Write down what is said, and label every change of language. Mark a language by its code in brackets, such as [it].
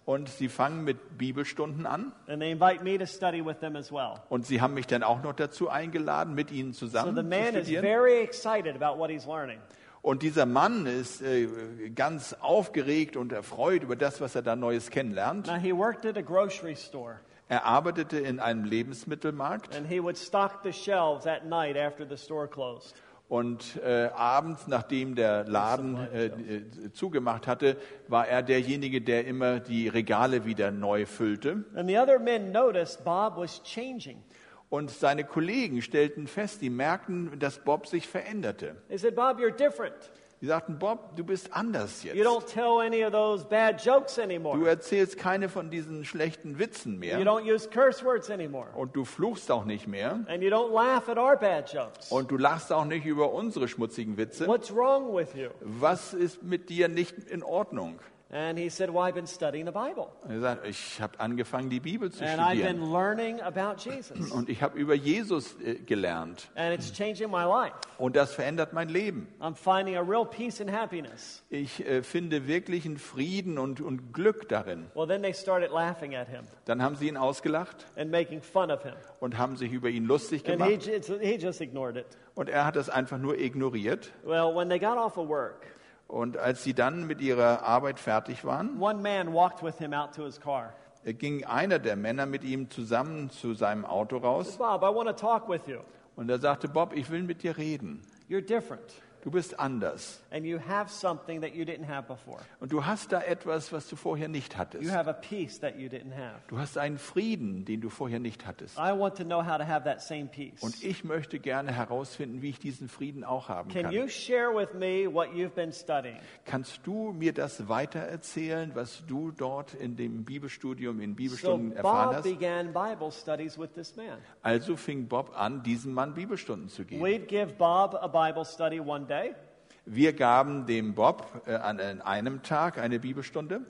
[de] Und sie fangen mit Bibelstunden an. [en] And they invite me to study with them as well. [de] Und sie haben mich dann auch noch dazu eingeladen, mit ihnen zusammen zu studieren. [en] So the man is very excited about what he's learning. [de] Und dieser Mann ist ganz aufgeregt und erfreut über das, was er da Neues kennenlernt. [en] Now he worked at a grocery store. [de] Er arbeitete in einem Lebensmittelmarkt. [en] And he would stock the shelves at night after the store closed. [de] Und abends, nachdem der Laden zugemacht hatte, war er derjenige, der immer die Regale wieder neu füllte. [en] And the other men noticed Bob was changing. [de] Und seine Kollegen stellten fest, die merkten, dass Bob sich veränderte. [en] They said, Bob, you're different. [de] Sie sagten, Bob, du bist anders jetzt. [en] You don't tell any of those bad jokes anymore. [de] Du erzählst keine von diesen schlechten Witzen mehr. [en] You don't use curse words anymore. [de] Und du fluchst auch nicht mehr. [en] And you don't laugh at our bad jokes. [de] Und du lachst auch nicht über unsere schmutzigen Witze. [en] What's wrong with you? [de] Was ist mit dir nicht in Ordnung? [en] And he said, well, I've been studying the Bible. [de] Er sagt, ich habe angefangen, die Bibel zu studieren. [en] And I've been learning about Jesus. [de] Und ich habe über Jesus gelernt. [en] And it's changing my life. [de] Und das verändert mein Leben. [en] I'm finding a real peace and happiness. [de] Ich finde wirklichen Frieden und Glück darin. [en] Well, then they started laughing at him. [de] Dann haben sie ihn ausgelacht. [en] And making fun of him. [de] Und haben sich über ihn lustig gemacht. [en] And he just ignored it. [de] Und er hat das einfach nur ignoriert. [en] Well, when they got off of work, [de] und als sie dann mit ihrer Arbeit fertig waren, [en] one man walked with him out to his car. [de] Ging einer der Männer mit ihm zusammen zu seinem Auto raus. [en] Bob, I want to talk with you. [de] Und er sagte, Bob, ich will mit dir reden. [en] You're different. [de] Du bist anders. [en] And you have something that you didn't have before. [de] Und du hast da etwas, was du vorher nicht hattest. [en] You have a peace that you didn't have. [de] Du hast einen Frieden, den du vorher nicht hattest. [en] I want to know how to have that same peace. [de] Und ich möchte gerne herausfinden, wie ich diesen Frieden auch haben kann. [en] Can you share with me what you've been studying? [de] Kannst du mir das weitererzählen, was du dort in dem Bibelstudium, in Bibelstunden erfahren hast? [en] So Bob began Bible studies with this man. [de] Also fing Bob an, diesem Mann Bibelstunden zu geben. [en] We'd give Bob a Bible study one day. [de] Wir gaben dem Bob an einem Tag eine Bibelstunde.